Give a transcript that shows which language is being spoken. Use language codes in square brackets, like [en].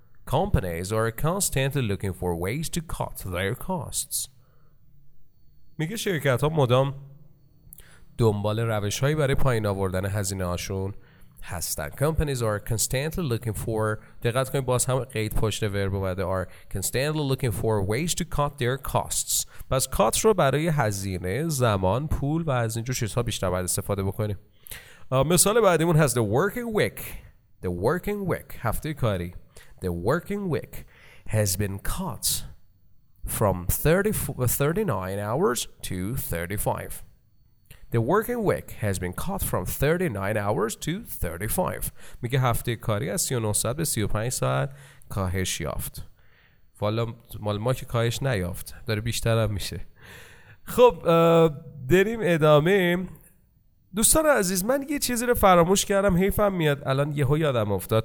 [en] Companies are constantly looking for ways to cut their costs. [fa] میگه شرکت ها مدام دنبال روش هایی برای پایین آوردن هزینه هاشون هستن. [en] Companies are constantly looking for، [fa] دقت کنید باز هم قید پشت ورب اومده، [en] are constantly looking for ways to cut their costs. [fa] پس cut رو برای هزینه، زمان، پول و از اینجور چیزها بیشتر باید استفاده بکنیم. مثال بعدیمون هست [en] the working week [fa] هفته کاری. [en] The working week has been cut from 39 hours to 35. The working week has been cut from 39 hours to 35. [fa] میگه هفته کاری از 39 ساعت به 35 ساعت کاهش یافت. والا مال ما که کاهش نیافت، داره بیشتر هم میشه. خب بریم ادامه. دوستان عزیز، من یه چیزی رو فراموش کردم، حیفم میاد الان یهو یادم افتاد.